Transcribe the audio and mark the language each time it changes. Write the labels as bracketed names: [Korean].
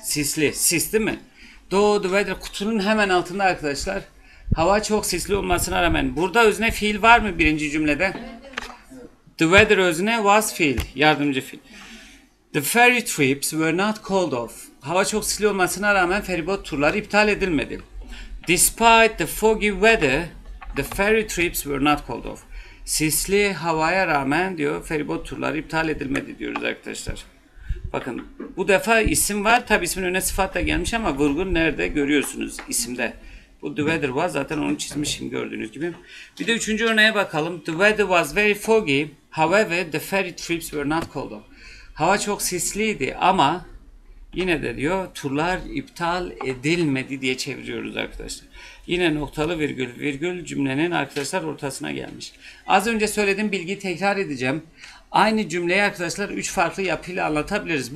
[Turkish] Sisli. Sis değil mi? [English] Though the weather [Turkish] kutunun hemen altında arkadaşlar. Hava çok sisli olmasına rağmen. Burada özne fiil var mı birinci cümlede? [English] The weather özne was fiil. [Turkish] Yardımcı fiil. [English] The ferry trips were not called off. [Turkish] Hava çok sisli olmasına rağmen feribot turları iptal edilmedi. [English] Despite the foggy weather, the ferry trips were not called off. [Turkish] Sisli havaya rağmen diyor feribot turları iptal edilmedi diyoruz arkadaşlar. Bakın bu defa isim var. Tabi ismin önüne sıfat da gelmiş ama vurgun nerede görüyorsunuz isimde. Bu [English] the weather was [Turkish] zaten onu çizmişim gördüğünüz gibi. Bir de üçüncü örneğe bakalım. [English] The weather was very foggy. However, the ferry trips were not called off. [Turkish] Hava çok sisliydi ama yine de diyor turlar iptal edilmedi diye çeviriyoruz arkadaşlar. Yine noktalı virgül virgül cümlenin arkadaşlar ortasına gelmiş. Az önce söylediğim bilgiyi tekrar edeceğim. Aynı cümleyi arkadaşlar 3 farklı yapıyla anlatabiliriz.